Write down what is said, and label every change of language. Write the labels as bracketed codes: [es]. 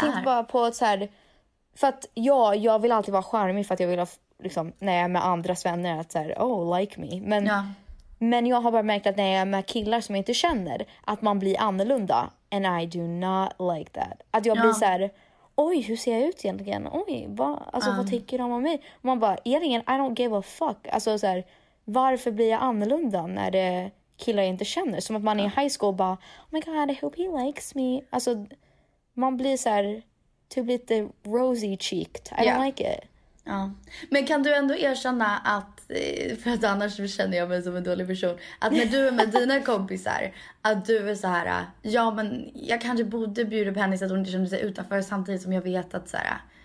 [sv] Tänkte bara på att så här. För att jag vill alltid vara charmig för att jag vill ha... Liksom, när jag är med andra vänner att så här, [en] oh, like me. [sv] Men, ja. Men jag har bara märkt att när jag är med killar som jag inte känner, att man blir annorlunda. [en] And I do not like that. [sv] Att jag blir så här, oj, hur ser jag ut egentligen? Oj, vad, alltså, vad tycker de om mig? Och man bara, egentligen, [en] I don't give a fuck. [sv] Alltså så här, varför blir jag annorlunda när det killar jag inte känner? Som att man är i high school bara, [en] oh my god, I hope he likes me. [sv] Alltså, man blir så här, typ lite rosy cheeked. [en] I don't like it. [sv] Ja, men kan du ändå erkänna att, för att annars känner jag mig som en dålig person, att när du är med dina kompisar, att du är så här, ja men jag kanske borde bjuda på henne så att hon inte känner sig utanför, samtidigt som jag vet att så här,